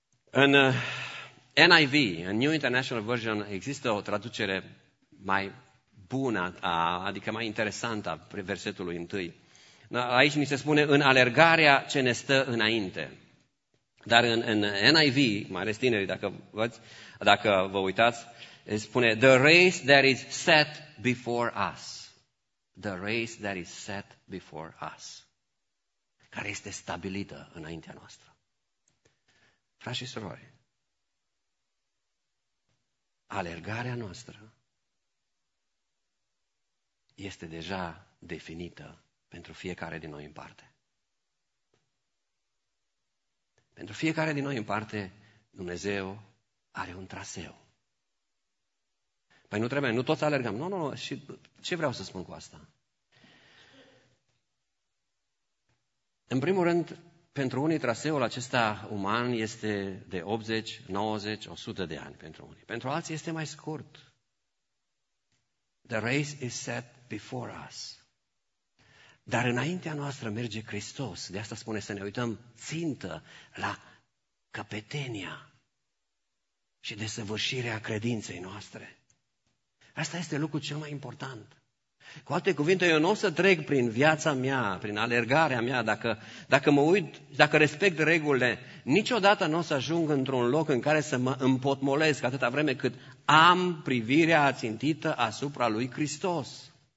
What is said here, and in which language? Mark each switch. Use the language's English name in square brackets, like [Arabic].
[Romanian] În NIV, în New International Version, există o traducere mai bună, adică mai interesantă a versetului întâi. Aici ni se spune, în alergarea ce ne stă înainte. Dar în NIV, mai ales tinerii, dacă vă uitați, spune, [English] the race that is set before us. The race that is set before us. [Romanian] Care este stabilită înaintea noastră. Frați și surori, alergarea noastră este deja definită pentru fiecare din noi în parte. Pentru fiecare din noi în parte, Dumnezeu are un traseu. Păi nu trebuie, nu toți alergăm. Nu, și ce vreau să spun cu asta? În primul rând, pentru unii traseul acesta uman este de 80, 90, 100 de ani pentru unii. Pentru alții este mai scurt. [English] The race is set before us. [Romanian] Dar înaintea noastră merge Hristos. De asta spune să ne uităm țintă la căpetenia și desăvârșirea credinței noastre. Asta este lucrul cel mai important. Cu alte cuvinte, eu nu o să trec prin viața mea, prin alergarea mea, dacă mă uit, dacă respect regulile, niciodată nu o să ajung într-un loc în care să mă împotmolesc atâta vreme cât am privirea ațintită asupra lui Hristos.